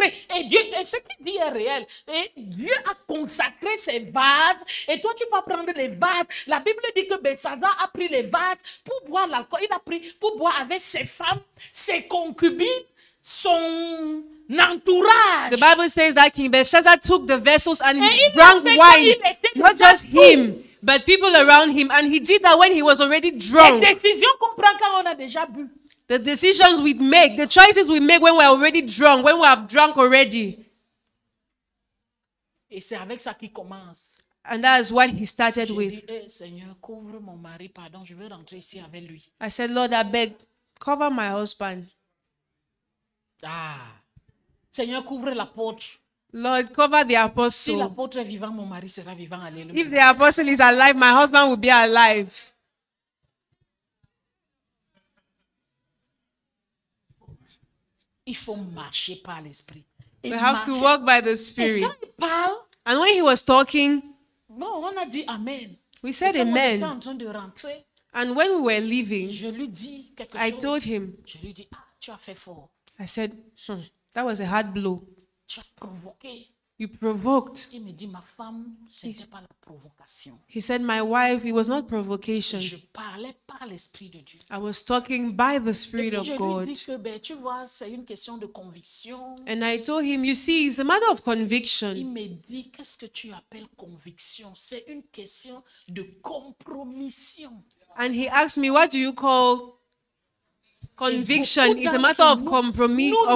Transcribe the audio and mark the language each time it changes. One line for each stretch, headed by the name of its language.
French: Et Dieu, et ce qu'il dit est réel. Et Dieu a consacré ses vases. Et toi, tu peux prendre les vases. La Bible dit que Belshazzar a pris les vases pour boire l'alcool. Il a pris pour boire avec ses femmes, ses concubines, son entourage.
English: The Bible says that King Belshazzar took the vessels and he drank wine. Not just him, but people around him. And he did that when he was already drunk.
French: Les décisions qu'on prend quand on a déjà bu.
English: The decisions we make, the choices we make when we're already drunk, when we have drunk already.
French: Et c'est avec ça qu'il commence.
English: And that is what he started
French: je
English: with.
French: Dis, hey, Seigneur, couvre mon mari, pardon, je veux rentrer ici avec lui.
English: I said, Lord, I beg, cover my husband.
French: Ah. Seigneur, couvre la porte.
English: Lord, cover the apostle.
French: Si l'apôtre est vivant, mon mari sera vivant. Alléluia.
English: If the apostle is alive, my husband will be alive.
French: Il faut marcher par l'esprit.
English: We have marcher. To walk by the spirit.
French: Et quand il parle,
English: and when he was talking,
French: bon, on a dit amen.
English: We said amen.
French: En train de rentrer,
English: and when we were leaving,
French: je lui dis quelque
English: I
French: chose.
English: Told him,
French: je lui dis, ah, tu as fait fort.
English: I said, that was a hard blow.
French: Tu as provoqué.
English: You provoked.
French: Il me dit, ma femme, c'était pas la provocation.
English: He said, my wife, it was not provocation.
French: Je parlais par l'esprit de Dieu.
English: I was talking by the Spirit
French: Et puis
English: of God.
French: Je lui dis que, ben, tu vois, c'est une question de conviction.
English: And I told him, you see, it's a matter of conviction.
French: Il me dit, qu'est-ce que tu appelles conviction? C'est une question de compromission.
English: And he asked me, what do you call conviction is a matter of compromise.